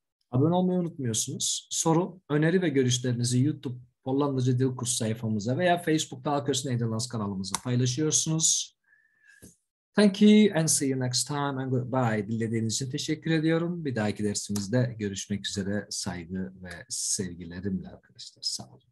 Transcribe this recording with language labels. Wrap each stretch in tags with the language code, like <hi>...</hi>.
<tr>Abone olmayı unutmuyorsunuz. Soru, öneri ve görüşlerinizi YouTube Hollandaca Dil Kursu sayfamıza veya Facebook Dağ Köşesi Nederlands kanalımıza paylaşıyorsunuz.</tr> <en>Thank you and see you next time and goodbye.</en> <tr>Dinlediğiniz için teşekkür ediyorum. Bir dahaki dersimizde görüşmek üzere. Saygı ve sevgilerimle arkadaşlar. Sağ olun.</tr>